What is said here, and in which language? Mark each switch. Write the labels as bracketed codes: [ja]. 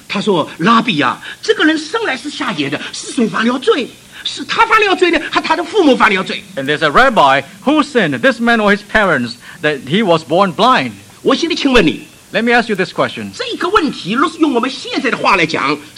[zh] 他说, 拉比啊, 这个人生来是瞎眼的, 是谁犯了罪? 是他犯了罪呢, [en] and there's a rabbi who sinned, this man or his parents, that he was born blind. [zh] 我现在请问你, [en] let me ask you this question. [zh] 这个问题,若是用我们现在的话来讲,